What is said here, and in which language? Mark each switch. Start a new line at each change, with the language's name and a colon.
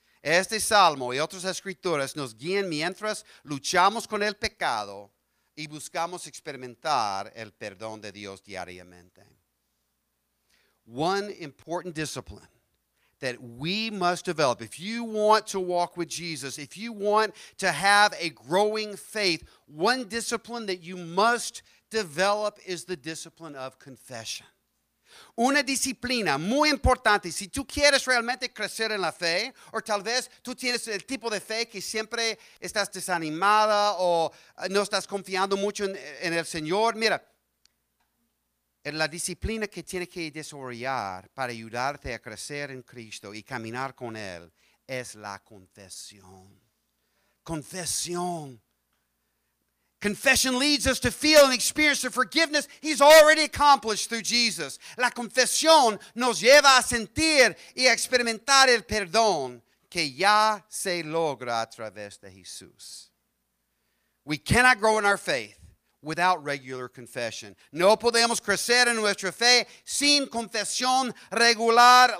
Spanish: Este salmo y otras escrituras nos guían mientras luchamos con el pecado y buscamos experimentar el perdón de Dios diariamente.
English: One important discipline that we must develop, if you want to walk with Jesus, if you want to have a growing faith, one discipline that you must develop is the discipline of confession.
Spanish: Una disciplina muy importante. Si tú quieres realmente crecer en la fe, o tal vez tú tienes el tipo de fe que siempre estás desanimada o no estás confiando mucho en el Señor. Mira, la disciplina que tienes que desarrollar para ayudarte a crecer en Cristo y caminar con Él es la confesión. Confesión.
English: Confession leads us to feel and experience the forgiveness He's already accomplished through Jesus.
Spanish: La confesión nos lleva a sentir y experimentar el perdón que ya se logra a través de Jesús.
English: We cannot grow in our faith without regular confession.
Spanish: No podemos crecer en nuestra fe sin confesión regular.